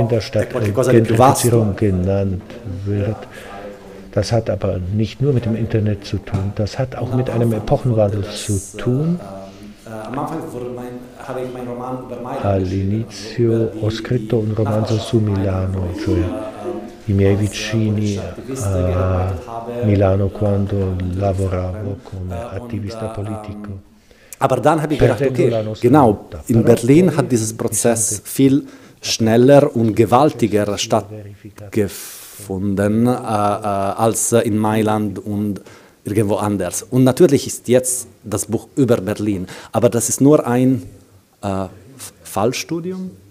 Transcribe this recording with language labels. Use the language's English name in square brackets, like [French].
[German] in der Stadt [Italian] è [German] Gentrifizierung genannt wird. Das hat aber nicht nur mit dem Internet zu tun, das hat auch mit einem Epochenwandel zu tun. Am Anfang habe ich meinen Roman über [Italian] All'inizio ho scritto un romanzo su Milano, cioè i miei vicini a Milano quando lavoravo come attivista politico. [German] Aber dann habe ich gedacht, okay, genau, in Berlin hat dieses Prozess viel schneller und gewaltiger stattgefunden als in Mailand und irgendwo anders. Und natürlich ist jetzt das Buch über Berlin, aber das ist nur ein Fallstudium.